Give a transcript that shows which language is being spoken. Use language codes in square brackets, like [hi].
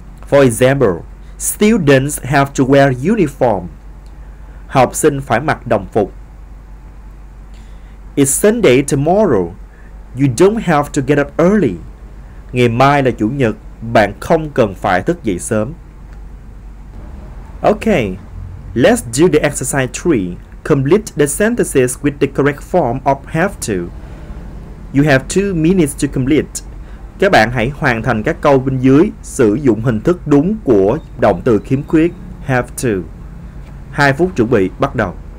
[en] For example, students have to wear uniform. [vi] Học sinh phải mặc đồng phục. [en] It's Sunday tomorrow. You don't have to get up early. [vi] Ngày mai là chủ nhật, bạn không cần phải thức dậy sớm. [en] Okay, let's do the exercise 3. Complete the sentences with the correct form of have to. You have 2 minutes to complete. [vi] Các bạn hãy hoàn thành các câu bên dưới sử dụng hình thức đúng của động từ khiếm khuyết have to. 2 phút chuẩn bị bắt đầu.